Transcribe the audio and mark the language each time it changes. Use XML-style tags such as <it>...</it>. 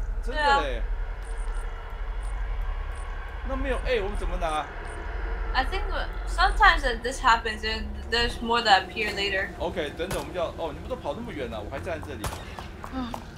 <zh>真的咧。那没有A我们怎么拿?</zh> <en>I think sometimes that this happens and there's more that appear later.</en> <zh>Okay, 等等，我们要哦，你们都跑那么远了，我还站在这里。嗯。</zh>